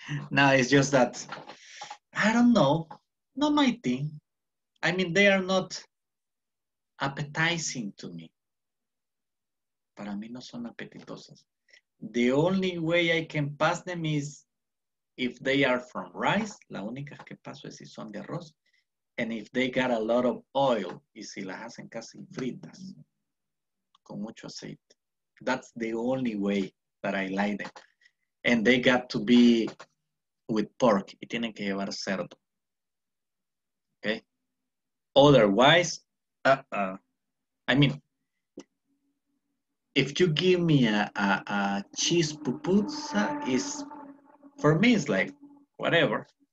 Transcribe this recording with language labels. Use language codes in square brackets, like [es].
[en] No, it's just that, I don't know, not my thing. I mean, they are not appetizing to me. [es] Para mí no son apetitosas. [en] The only way I can pass them is if they are from rice. [es] La única que paso es si son de arroz. [en] And if they got a lot of oil. [es] Y si las hacen casi fritas. Con mucho aceite. [en] That's the only way that I like them. And they got to be with pork. [es] Y tienen que llevar cerdo. [en] Okay. Otherwise, I mean, if you give me a cheese pupusa, is for me, it's like, whatever.